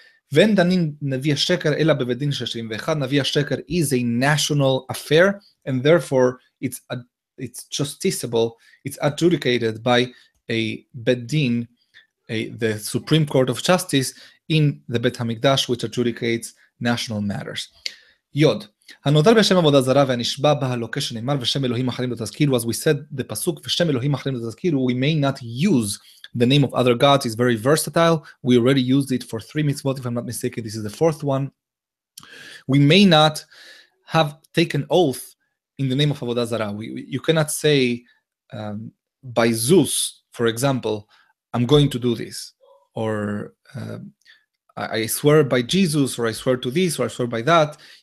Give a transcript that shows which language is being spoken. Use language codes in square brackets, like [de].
[he] When danin Navi Sheker ela bevedin shashim ve'echad, [en] Navi Sheker is a national affair, and therefore it's justiciable, it's adjudicated by a bedin, the Supreme Court of Justice in the Bet Hamikdash, which adjudicates national matters. Yod. [he] הנודר בשם עבודה זרה והנשבע בה לוקה שנאמר ושם אלוהים אחרים לא תזכירו, [en] as we said, the pasuk [he] ושם אלוהים אחרים לא תזכירו, [en] we may not use the name of other gods, is very versatile, we already used it for 3 mitzvot, if I'm not mistaken, this is the 4th one. We may not have taken oath in the name of Avodah Zarah. You cannot say, by Zeus, for example, I'm going to do this, or I swear by Jesus, or I swear to this, or I swear by that.